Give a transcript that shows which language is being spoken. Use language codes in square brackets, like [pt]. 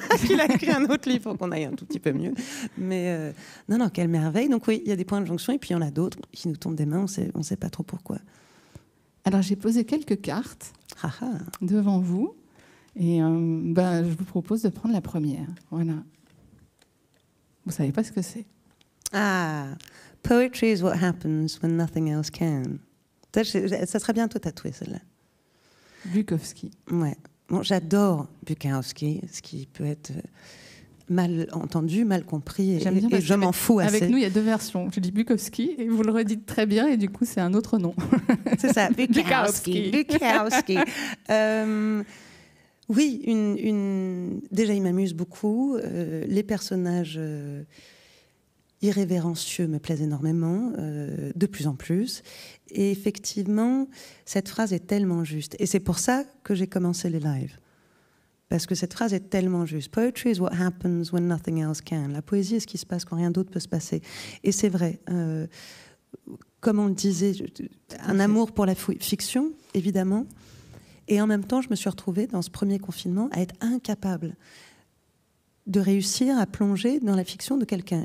[fr] qu'il a écrit un autre livre pour qu'on aille un tout petit peu mieux. Mais non, quelle merveille. Donc oui, il y a des points de jonction et puis il y en a d'autres qui nous tombent des mains, on sait pas trop pourquoi. Alors j'ai posé quelques cartes devant vous et je vous propose de prendre la première. Voilà. Vous savez pas ce que c'est. [en] Ah, poetry is what happens when nothing else can. [fr] Ça serait bientôt tatoué, celle-là. Bukowski. Ouais. Bon, j'adore Bukowski, ce qui peut être mal entendu, mal compris, et je m'en fous assez. Avec nous, il y a deux versions. Je dis Bukowski, et vous le redites très bien, et du coup, c'est un autre nom. C'est ça, Bukowski. Bukowski. oui, déjà, il m'amuse beaucoup. Les personnages irrévérencieux me plaisent énormément, de plus en plus. Et effectivement, cette phrase est tellement juste. Et c'est pour ça que j'ai commencé les lives. Parce que cette phrase est tellement juste. [en] Poetry is what happens when nothing else can. [fr] La poésie est ce qui se passe quand rien d'autre peut se passer. Et c'est vrai. Comme on le disait, un amour pour la fiction, évidemment. Et en même temps, je me suis retrouvée dans ce premier confinement à être incapable de réussir à plonger dans la fiction de quelqu'un.